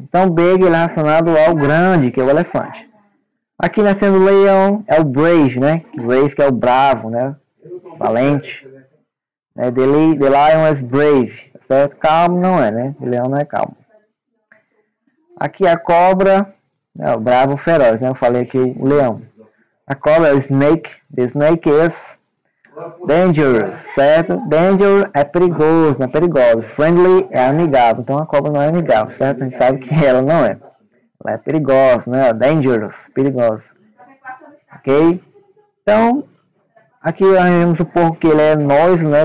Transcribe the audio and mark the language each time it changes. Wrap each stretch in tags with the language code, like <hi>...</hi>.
<pt>Então, big é relacionado ao grande, que é o elefante. Aqui nós temos o leão, é o brave, né? Brave, que é o bravo, né? Valente. É,</pt> <en>the lion is brave,</en> <pt>certo? Calmo não é, né? O leão não é calmo. Aqui a cobra, é o bravo, feroz, né? Eu falei aqui o leão. A cobra é snake.</pt> <en>The snake is dangerous, certo?</en> <pt>Danger é perigoso, não é perigoso. Friendly é amigável. Então a cobra não é amigável, certo? A gente sabe que ela não é. Ela é perigosa, né? Dangerous, perigosa. Ok? Então, aqui nós vamos supor que ele é noise, né?</pt>